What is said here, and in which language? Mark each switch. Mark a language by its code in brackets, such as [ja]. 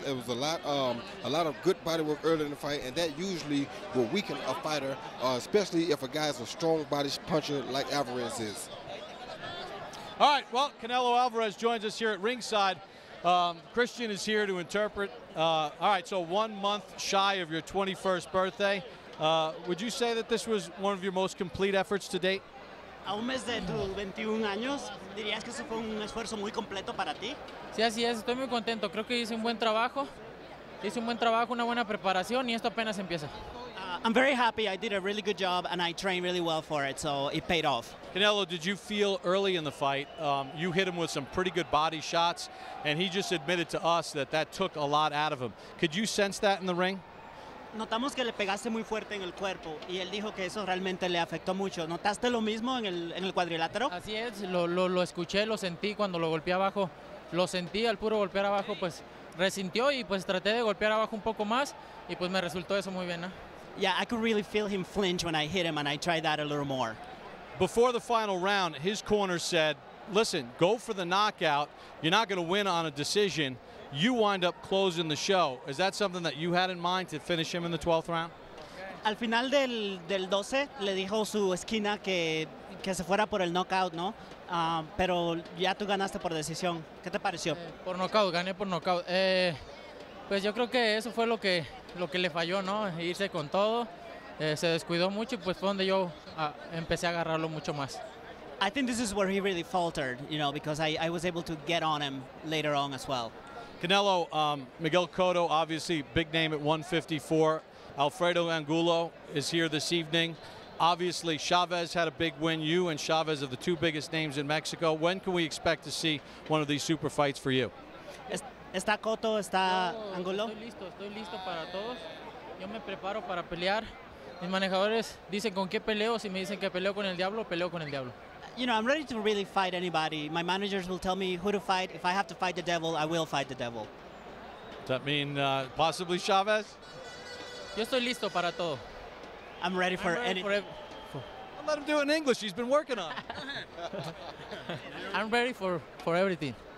[en] It was a lot of good body work early in the fight, and that usually will weaken a fighter, especially if a guy is a strong body puncher like Alvarez is. All right, well, Canelo Alvarez joins us here at ringside. Christian is here to interpret. All right, so 1 month shy of your 21st birthday. Would you say that this was one of your most complete efforts to date? [es] A un mes de tu 21 años, ¿dirías que eso fue un esfuerzo muy completo para ti? Sí, así es. Estoy muy contento. Creo que hice un buen trabajo. Hice un buen trabajo, una buena preparación, y esto apenas empieza. [en] I'm very happy. I did a really good job, and I trained really well for it, so it paid off. Canelo, did you feel early in the fight, you hit him with some pretty good body shots, and he just admitted to us that that took a lot out of him. Could you sense that in the ring? [es] Notamos que le pegaste muy fuerte en el cuerpo y él dijo que eso realmente le afectó mucho. ¿Notaste lo mismo en el cuadrilátero? Así es, lo escuché, lo sentí cuando lo golpeé abajo. Lo sentí al puro golpear abajo, pues resintió y pues traté de golpear abajo un poco más y pues me resultó eso muy bien, ¿no? [en] Yeah, I could really feel him flinch when I hit him and I tried that a little more. Before the final round, his corner said, listen, go for the knockout. You're not going to win on a decision. You wind up closing the show. Is that something that you had in mind to finish him in the 12th round? [es] Al final del 12, le dijo su esquina que se fuera por el knockout, ¿no? Pero ya tú ganaste por decisión. ¿Qué te pareció? Por knockout, gané por knockout. Pues yo creo que eso fue lo que le falló, ¿no? Irse con todo. Se descuidó mucho y pues fue donde yo empecé a agarrarlo mucho más. [en] I think this is where he really faltered, you know, because I was able to get on him later on as well. Canelo, Miguel Cotto, obviously big name at 154. Alfredo Angulo is here this evening. Obviously, Chavez had a big win. You and Chavez are the two biggest names in Mexico. When can we expect to see one of these super fights for you? [es] Está Cotto, está Angulo. Estoy listo para todos. Yo me preparo para pelear. Mis manejadores dicen con qué peleo. Si me dicen que peleo con el diablo, peleo con el diablo. [en] You know, I'm ready to really fight anybody. My managers will tell me who to fight. If I have to fight the devil, I will fight the devil. Does that mean possibly Chavez? [es] Yo estoy listo para todo. [en] I'm ready for anything. I'll let him do it in English. He's been working on it. I'm ready for everything.